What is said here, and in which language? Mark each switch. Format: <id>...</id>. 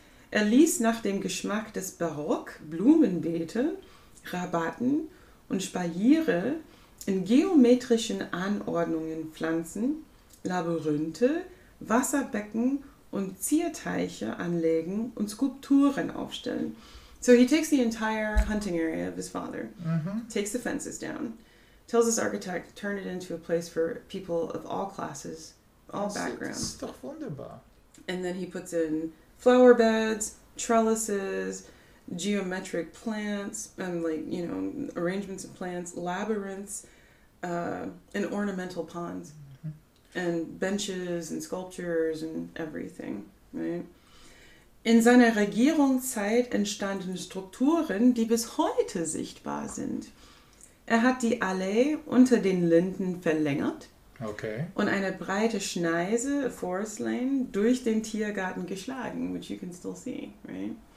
<de>Er ließ nach dem Geschmack des Barock Blumenbeete, Rabatten und Spaliere in geometrischen Anordnungen pflanzen, Labyrinthe, Wasserbecken und Zierteiche anlegen und Skulpturen aufstellen.</de> <en>So he takes the entire hunting area of his father, mm-hmm. takes the fences down, tells his architect to turn it into a place for people of all classes, all backgrounds.</en> <de>Das ist doch wunderbar.</de> <en>And then he puts in flower beds, trellises, geometric plants, and like, you know, arrangements of plants, labyrinths, and ornamental ponds. And benches and sculptures and everything, right?</en> <de>In seiner Regierungszeit entstanden Strukturen, die bis heute sichtbar sind. Hat die Allee unter den Linden verlängert.</de> <en>Okay.</en> <de>Und eine breite Schneise,</de> <en>a forest lane,</en> <de>durch den Tiergarten geschlagen,</de> <en>which you can still see, right?</en>